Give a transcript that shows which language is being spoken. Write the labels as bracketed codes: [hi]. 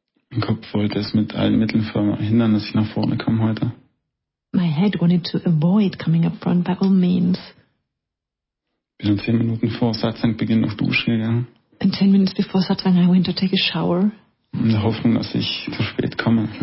[de] Mein Kopf wollte es mit allen Mitteln verhindern, dass ich nach vorne komme heute. [en] My head wanted to avoid coming up front by all means. [de] Bin dann 10 Minuten vor Satsangbeginn auf Dusche gegangen. [en] And 10 minutes before Satsang, I went to take a shower. [de] In der Hoffnung, dass ich zu spät komme.